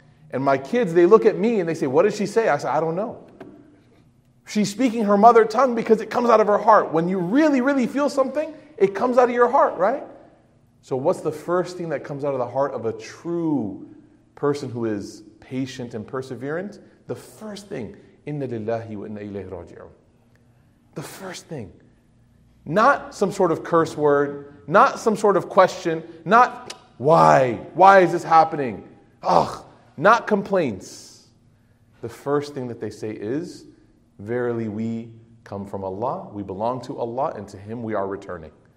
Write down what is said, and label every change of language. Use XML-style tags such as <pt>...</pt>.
<en>And my kids, they look at me and they say, what did she say? I said, I don't know. She's speaking her mother tongue because it comes out of her heart. When you really, really feel something, it comes out of your heart, right? So what's the first thing that comes out of the heart of a true person who is patient and perseverant? The first thing,</en> <ar>إِنَّ لِلَّهِ وَإِنَّ إِلَيْهِ رَاجِعُونَ.</ar> <en>The first thing. Not some sort of curse word, not some sort of question, not why? Why is this happening? Ugh, not complaints. The first thing that they say is, verily we come from Allah, we belong to Allah, and to Him we are returning.</en>